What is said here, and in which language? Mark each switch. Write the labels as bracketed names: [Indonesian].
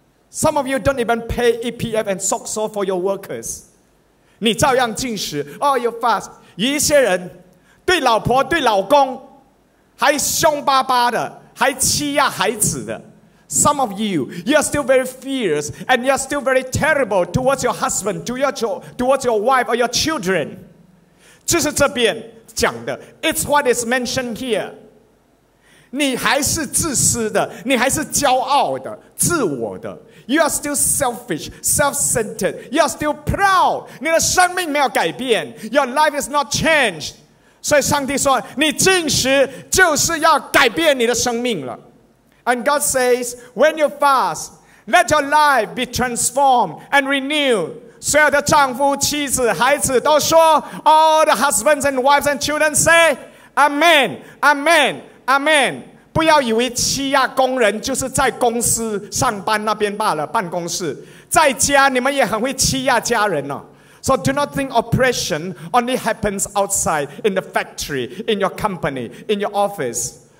[English] Some of you don't even pay EPF and SOXO for your workers. [Chinese] 你照样进食。 [English] Oh, you fast. [Chinese] 有一些人对老婆对老公还凶巴巴的，还欺压孩子的。 [English] Some of you, you are still very fierce and you are still very terrible towards your husband, towards your wife or your children. [Chinese] 这是这边讲的。 [English] It's what is mentioned here. [Chinese] 你还是自私的，你还是骄傲的，自我的。 [English] You are still selfish, self-centered. You are still proud. [Chinese] 你的生命没有改变。 [English] Your life is not changed. [Chinese] 所以上帝说，你进食就是要改变你的生命了。 [English] And God says, when you fast, let your life be transformed and renewed. [Chinese] 所有的丈夫、妻子、孩子都说， [English] All the husbands and wives and children say, Amen, Amen, [Chinese] 阿们。不要以为欺压工人就是在公司上班那边罢了，办公室，在家你们也很会欺压家人哦。 [English] So do not think oppression only happens outside in the factory, in your company, in your office.